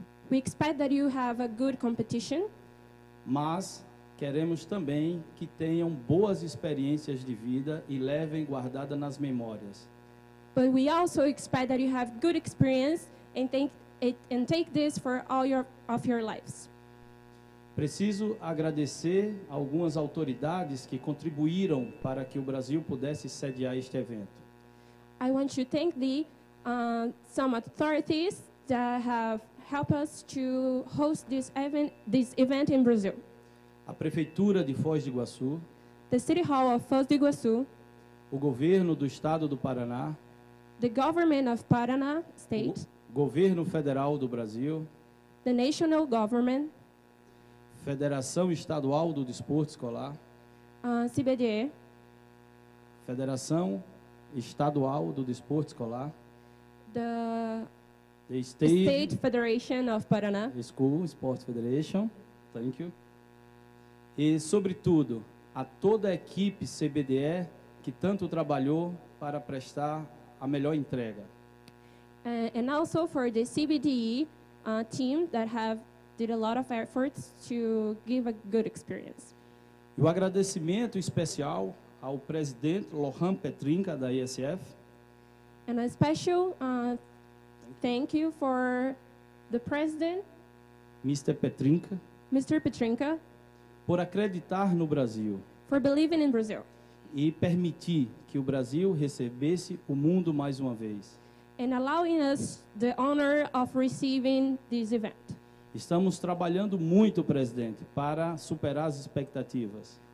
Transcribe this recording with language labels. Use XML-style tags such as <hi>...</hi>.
<en>We expect that you have a good competition.</en> <pt>Mas queremos também que tenham boas experiências de vida e levem guardada nas memórias.</pt> <en>But we also expect that you have good experience and take this for all of your lives.</en> <pt>Preciso agradecer algumas autoridades que contribuíram para que o Brasil pudesse sediar este evento.</pt> <en>I want to thank the some authorities that have helped us to host this event in Brazil.</en> <pt>A Prefeitura de Foz do Iguaçu,</pt> <en>the City Hall of Foz do Iguaçu,</en> <pt>o Governo do Estado do Paraná,</pt> <en>the Government of Paraná State,</en> <pt>o Governo Federal do Brasil,</pt> <en>the National Government,</en> <pt>Federação Estadual do Desporto Escolar, CBDE, Federação Estadual do Desporto Escolar,</pt> <en>the State Federation of Paraná, School Sports Federation, thank you.</en> <pt>E, sobretudo, a toda a equipe CBDE que tanto trabalhou para prestar a melhor entrega.</pt> <en>And also for the CBDE team that have did a lot of efforts to give a good experience.</en> <pt>E o agradecimento especial ao presidente Lohan Petrinca da ESF.</pt> <en>And a special thank you for the president, Mr. Petrinca. Mr. Petrinca.</en> <pt>Por acreditar no Brasil.</pt> <en>For believing in Brazil.</en> <pt>E permitir que o Brasil recebesse o mundo mais uma vez.</pt> <en>And allowing us the honor of receiving this event.</en> <pt>Estamos trabalhando muito, presidente, para superar as expectativas.</pt>